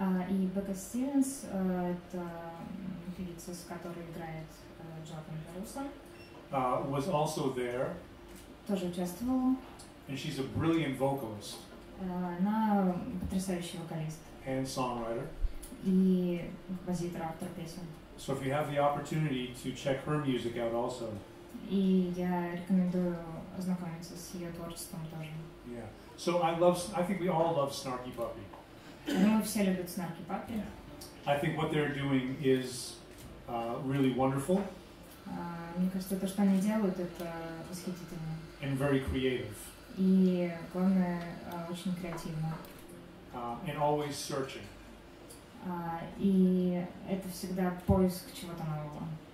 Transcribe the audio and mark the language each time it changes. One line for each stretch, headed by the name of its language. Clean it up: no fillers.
Russian: И Becca Stevens, это певица, с которой играет Джордан Каруса.
English: Was also there.
Russian: Тоже участвовала.
English: And she's a brilliant vocalist.
Russian: Она потрясающий вокалист.
English: And songwriter.
Russian: И композитор, автор песен.
English: So if you have the opportunity to check her music out also.
Russian: И я рекомендую ознакомиться с ее творчеством тоже.
English: Yeah. So I think we all love Snarky Puppy.
Russian: Мы все любим Snarky Puppy.
English: I think what they're doing is really wonderful.
Russian: Мне кажется, то, что они делают, это восхитительно.
English: And very creative.
Russian: И главное, очень креативно.
English: And always searching.
Russian: И это всегда поиск чего-то нового.